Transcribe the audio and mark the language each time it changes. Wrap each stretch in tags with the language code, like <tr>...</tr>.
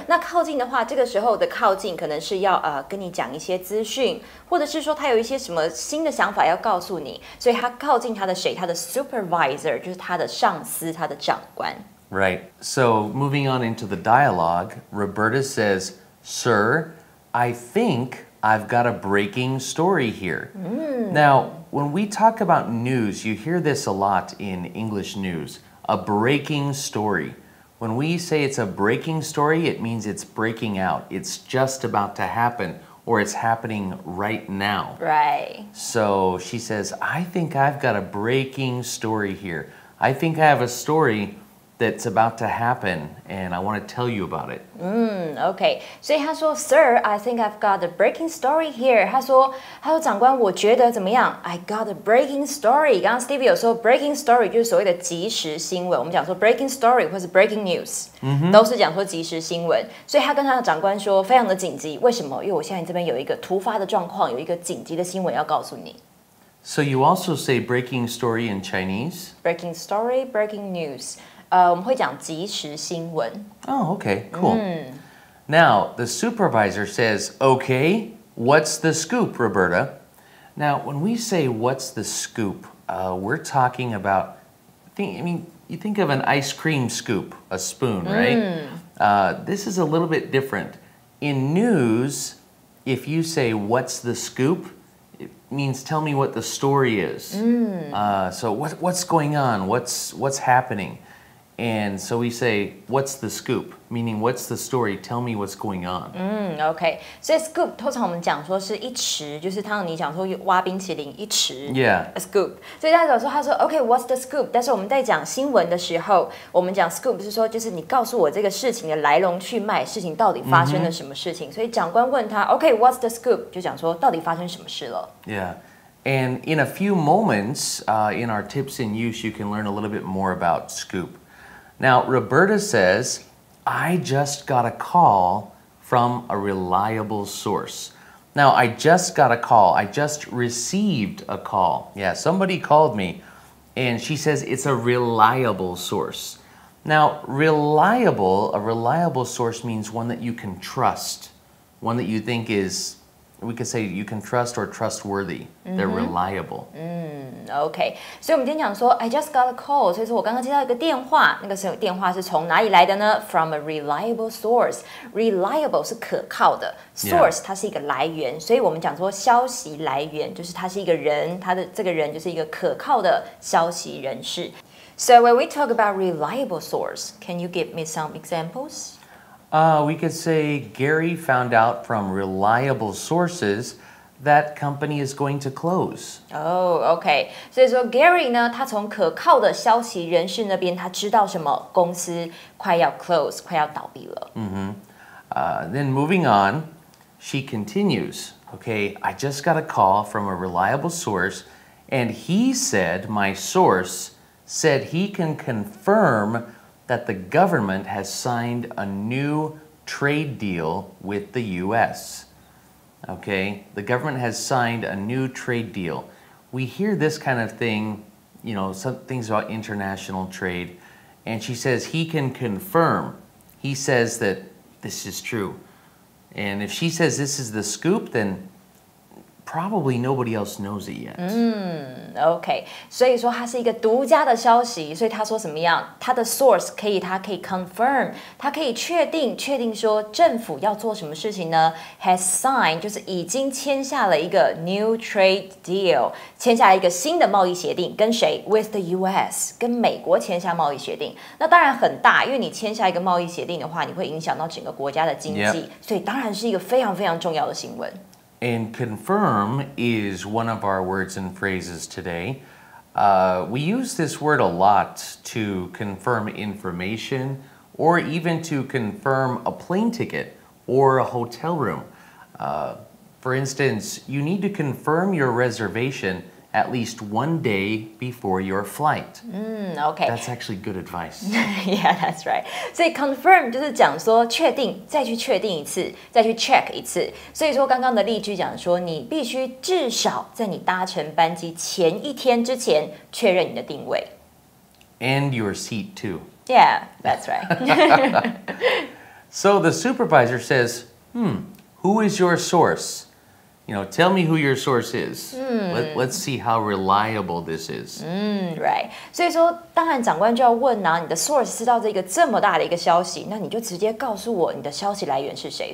<zh>那靠近的话，这个时候的靠近可能是要跟你讲一些资讯，或者是说他有一些什么新的想法要告诉你，所以他靠近他的谁？他的 supervisor 就是他的上司，他的长官。</zh> <en>Right. So moving on into the dialogue, Roberta says, "Sir, I think I've got a breaking story here." Now. When we talk about news, you hear this a lot in English news, a breaking story. When we say it's a breaking story, it means it's breaking out. It's just about to happen, or it's happening right now. Right. So she says, I think I've got a breaking story here. I think I have a story that's about to happen, and I want to tell you about it. Okay.</en> <zh>所以他说</zh> <en>Sir, I think I've got a breaking story here.</en> <zh>他说长官我觉得怎么样</zh> <en>I got a breaking story.</en> <zh>刚刚 Stevie 有说 breaking story 就是所谓的即时新闻。我们讲说 breaking story 或是 breaking news、 mm-hmm. 都是讲说即时新闻。所以他跟他的长官说非常的紧急。为什么？因为我现在这边有一个突发的状况，有一个紧急的新闻要告诉你。</zh> <en>So you also say breaking story in Chinese? Breaking story, breaking news.</en> <zh>我们会讲即时新闻。</zh> <en>Oh, okay, cool.、Mm. Now, the supervisor says, okay, what's the scoop, Roberta? Now, when we say what's the scoop,、we're talking about, you think of an ice cream scoop, a spoon, right?、 Mm. This is a little bit different. In news, if you say what's the scoop, it means tell me what the story is.、 Mm. So what's going on? What's happening? And so we say, what's the scoop? Meaning, what's the story? Tell me what's going on. Okay. So scoop,</en> <zh>通常我们讲说是一匙，就是汤尼讲说挖冰淇淋一匙。</zh> <en>Yeah. A scoop.</en> <zh>所以大家有时候他说</zh> <en>okay, what's the scoop?</en> <zh>但是我们在讲新闻的时候，我们讲 scoop 是说就是你告诉我这个事情的来龙去脉，事情到底发生了什么事情。 Mm-hmm. 所以长官问他</zh> <en>okay, what's the scoop?</en> <zh>就讲说到底发生什么事了。</zh> <en>Yeah. And in a few moments,、in our tips in use, you can learn a little bit more about scoop. Now, Roberta says, I just got a call from a reliable source. Now, I just got a call. I just received a call. Yeah, somebody called me. And she says it's a reliable source. Now, a reliable source means one that you can trust. One that you think is... We could say you can trust or trustworthy. They're reliable. Okay. So,</en> <zh>我们今天讲说</zh> <en>I just got a call.</en> <zh>所以说我刚刚接到一个电话。那个电话是从哪里来的呢?</zh> <en>From a reliable source. Reliable</en> <zh>是可靠的。 Source, 它是一个来源。所以我们讲说消息来源就是它是一个人。它的这个人就是一个可靠的消息人士。</zh> <en>So, when we talk about reliable source, can you give me some examples? We could say Gary found out from reliable sources that company is going to close. Oh, okay.</en> <zh>所以说 Gary 呢，他从可靠的消息人士那边，他知道什么公司快要 close， 快要倒闭了。</zh> <en>Mm-hmm. Then moving on, she continues. Okay, I just got a call from a reliable source, and he said, my source said he can confirm. That the government has signed a new trade deal with the US. Okay, the government has signed a new trade deal. We hear this kind of thing, you know, some things about international trade, and she says he can confirm. He says that this is true. And if she says this is the scoop, then. Probably nobody else knows it yet. Okay.</en> <zh>所以说它是一个独家的消息。所以他说什么样？他的 source 可以，他可以 confirm， 他可以确定说政府要做什么事情呢 ？Has signed 就是已经签下了一个 new trade deal， 签下一个新的贸易协定，跟谁 ？With the U.S. 跟美国签下贸易协定。那当然很大，因为你签下一个贸易协定的话，你会影响到整个国家的经济。</zh> <en>Yep.</en> <zh>所以当然是一个非常非常重要的新闻。</zh> <en>And confirm is one of our words and phrases today. We use this word a lot to confirm information or even to confirm a plane ticket or a hotel room. For instance, you need to confirm your reservation at least one day before your flight. Okay. That's actually good advice. Yeah, that's right.</en> <zh>所以 confirm 就是讲说确定，再去确定一次，再去 check 一次。所以说刚刚的例句讲说，你必须至少在你搭乘班机前一天之前确认你的定位。</zh> <en>And your seat too. Yeah, that's right. So the supervisor says, who is your source? You know, tell me who your source is. Let's see how reliable this is. Right.</en> <zh>所以说当然长官就要问啊你的 source 知道这个这么大的一个消息那你就直接告诉我你的消息来源是谁。</zh>